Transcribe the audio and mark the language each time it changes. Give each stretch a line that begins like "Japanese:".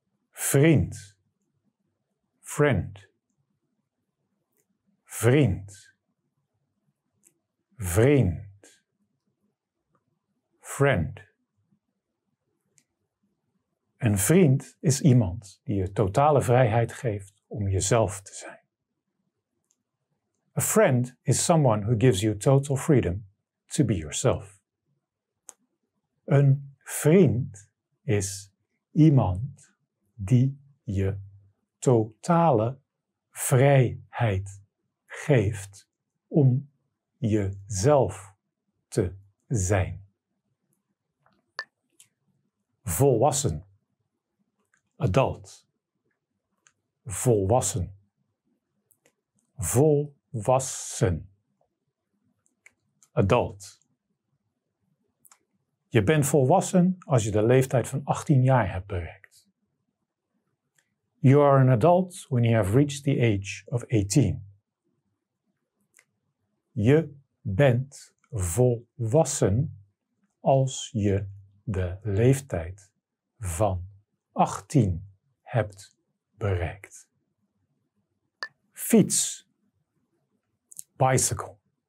Dutch: Vriend. Friend. Vriend. Vriend. Friend. Een vriend is iemand die je totale vrijheid geeft om jezelf te zijn.
English: A friend is someone who gives you total freedom to be yourself.
Dutch: Een vriend is iemand die je totale vrijheid geeft om jezelf te zijn. Volwassen. Adult. volwassen. Volwassen. Adult. Je bent volwassen als je de leeftijd van 18 jaar hebt bereikt.
English: You are an adult when you have reached the age of 18.
Dutch: Je bent volwassen als je de leeftijd van 18 hebt bereikt. Fiets. Bicycle.